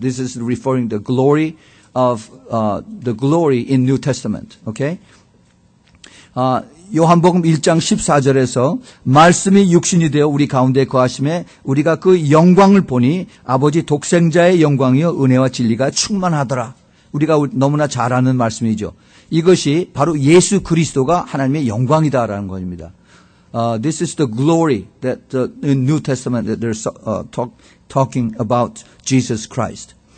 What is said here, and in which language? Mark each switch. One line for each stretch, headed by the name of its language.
English: This is referring the glory of the glory in New Testament. Okay?
Korean: 요한복음 1장 14절에서 말씀이 육신이 되어 우리 가운데 거하심에 우리가 그 영광을 보니 아버지 독생자의 영광이요 은혜와 진리가 충만하더라. 우리가 너무나 잘 아는 말씀이죠. 이것이 바로 예수 그리스도가 하나님의 영광이다라는 것입니다.
English: This is the glory that the New Testament that they're talking about Jesus Christ.